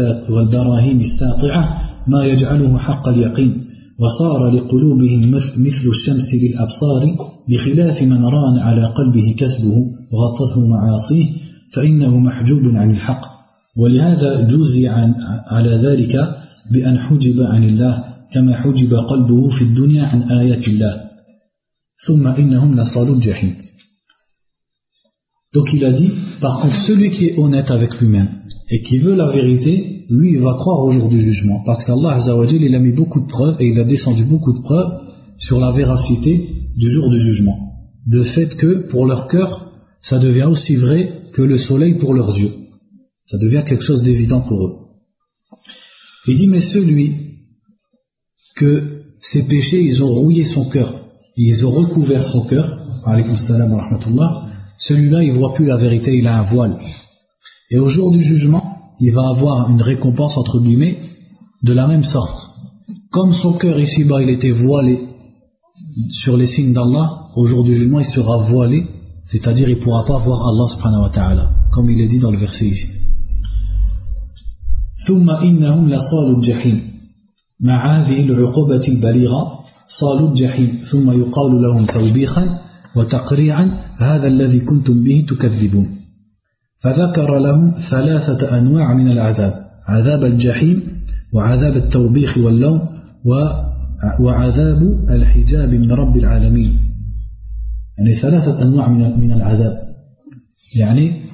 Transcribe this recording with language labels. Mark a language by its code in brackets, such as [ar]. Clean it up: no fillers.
[ar] والبراهين الساطعة ما يجعله حق اليقين وصار لقلوبهم مثل الشمس للأبصار بخلاف من ران على قلبه كسبه وغطته معاصيه فإنه محجوب عن الحق ولهذا جوزي على ذلك بأن حجب عن الله كما حجب قلبه في الدنيا عن آيات الله ثم إنهم لصالوا الجحيم. [fr] Donc il a dit, par contre celui qui est honnête avec lui-même et qui veut la vérité, lui il va croire au jour du jugement, parce qu'Allah Azza wa Jalla il a mis beaucoup de preuves et il a descendu beaucoup de preuves sur la véracité du jour du jugement, de fait que pour leur cœur ça devient aussi vrai que le soleil pour leurs yeux, ça devient quelque chose d'évident pour eux. Il dit mais celui que ses péchés ils ont rouillé son cœur, ils ont recouvert son cœur, [ar] alayhi salam wa rahmatullah, [fr] celui-là il ne voit plus la vérité, il a un voile. Et au jour du jugement, il va avoir une récompense entre guillemets de la même sorte. Comme son cœur ici-bas il était voilé sur les signes d'Allah, au jour du jugement il sera voilé, c'est-à-dire il ne pourra pas voir Allah subhanahu wa ta'ala, comme il est dit dans le verset ici. [ar] Thumma innahum lasalu al-jahim. مع هذه العقوبة البليغة صالوا الجحيم ثم يقال لهم توبيخا وتقريعا هذا الذي كنتم به تكذبون فذكر لهم ثلاثة أنواع من العذاب عذاب الجحيم وعذاب التوبيخ واللوم وعذاب الحجاب من رب العالمين يعني ثلاثة أنواع من العذاب يعني